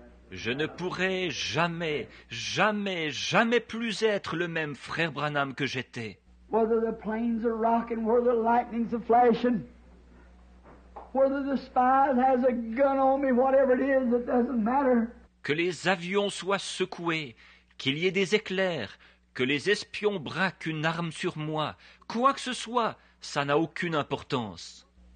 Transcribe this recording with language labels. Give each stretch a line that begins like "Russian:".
French: Je ne pourrai jamais, jamais, jamais plus être le même frère Branham que j'étais.
English: Whether the planes are rocking, whether the lightnings are flashing, whether the spy has a gun on me, whatever it is, it doesn't matter.
French: Que les avions soient secoués, qu'il y ait des éclairs, que les espions braquent une arme sur moi, quoi que ce soit, ça n'a aucune importance.